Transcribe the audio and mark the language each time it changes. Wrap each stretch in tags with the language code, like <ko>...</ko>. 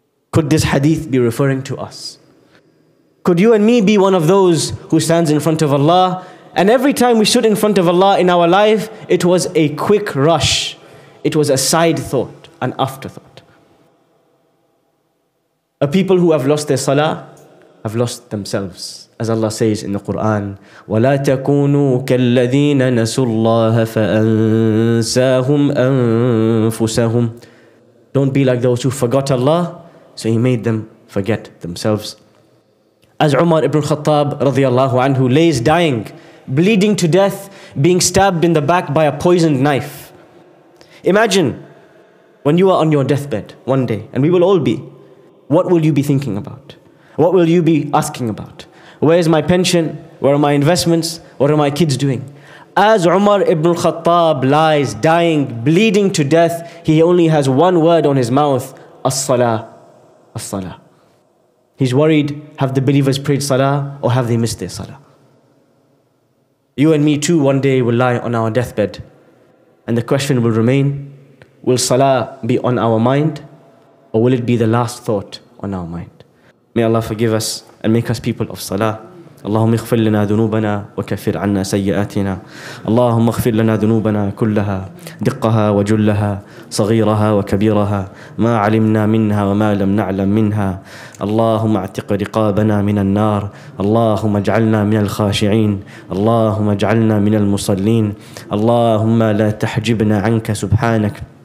<en>Could this hadith be referring to us? Could you and me be one of those who stands in front of Allah, and every time we stood in front of Allah in our life, it was a quick rush. It was a side thought, an afterthought. A people who have lost their salah have lost themselves. As Allah says in the Quran,</en> <ar>وَلَا تَكُونُوا كَالَّذِينَ نَسُوا اللَّهَ فَأَنسَاهُمْ أَنفُسَهُمْ.</ar> <en>Don't be like those who forgot Allah, so He made them forget themselves. As Umar ibn Khattab radiallahu anhu lays dying, bleeding to death, being stabbed in the back by a poisoned knife. Imagine when you are on your deathbed one day, and we will all be, what will you be thinking about? What will you be asking about? Where is my pension? Where are my investments? What are my kids doing? As Umar ibn Khattab lies dying, bleeding to death, he only has one word on his mouth, As-salah, as-salah. He's worried, have the believers prayed salah or have they missed their salah? You and me too one day will lie on our deathbed, and the question will remain, will salah be on our mind or will it be the last thought on our mind? May Allah forgive us and make us people of salah.</en> <ar>اللهم اغفر لنا ذنوبنا وكفر عنا سيئاتنا اللهم اغفر لنا ذنوبنا كلها دقها وجلها صغيرها وكبيرها ما علمنا منها وما لم نعلم منها اللهم اعتق رقابنا من النار اللهم اجعلنا من الخاشعين اللهم اجعلنا من المصلين اللهم لا تحجبنا عنك سبحانك</ar>